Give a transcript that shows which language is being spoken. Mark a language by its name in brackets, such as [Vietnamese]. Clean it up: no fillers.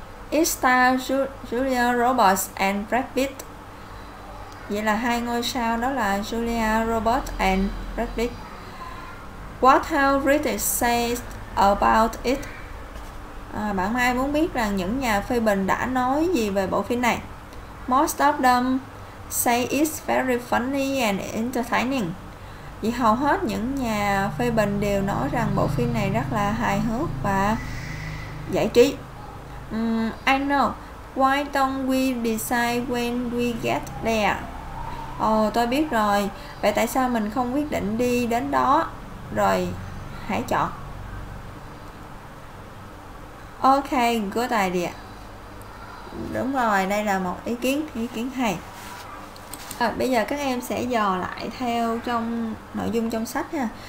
[English] It's Julia Roberts and Brad Pitt. [Vietnamese] Vậy là hai ngôi sao đó là Julia Roberts and Brad Pitt. [English] What have critics said about it? [Vietnamese] À, bạn Mai muốn biết rằng những nhà phê bình đã nói gì về bộ phim này? [English] Most of them say it's very funny and entertaining. [Vietnamese] Vì hầu hết những nhà phê bình đều nói rằng bộ phim này rất là hài hước và giải trí. [English] I know. Why don't we decide when we get there? [Vietnamese] Tôi biết rồi. Vậy tại sao mình không quyết định đi đến đó rồi hãy chọn? [English] Okay, good idea. [Vietnamese] Đúng rồi, đây là một ý kiến hay. Bây giờ các em sẽ dò lại theo trong nội dung trong sách nha.